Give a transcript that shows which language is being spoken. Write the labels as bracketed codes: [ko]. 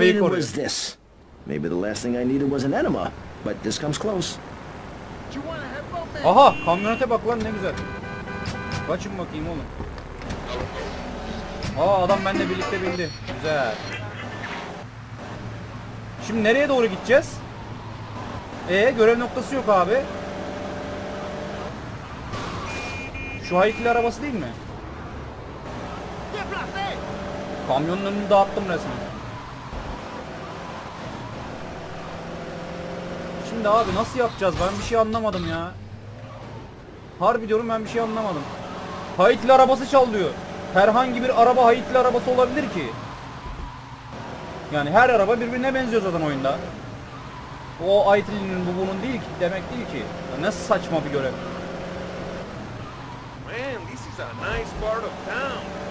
[en] The last thing I needed was this. Maybe the last thing I needed was an enema, but this comes close. [tr] Aha, kamyonete bak lan, ne güzel. Kaçın bakayım oğlum. Aa, adam benimle birlikte bindi. Güzel. Şimdi nereye doğru gideceğiz? Görev noktası yok abi. Şu Haitli arabası değil mi? Kamyonun önünü dağıttım resmen. Şimdi abi nasıl yapacağız? Ben bir şey anlamadım ya. Harbi diyorum, ben bir şey anlamadım. Haitli arabası çalıyor. Herhangi bir araba Haitli arabası olabilir ki? Yani her araba birbirine benziyor zaten oyunda. O Aitlin'in bu bunun değil ki, demek değil ki. Ya ne saçma bir görev. [en] Man, this is a nice part of town.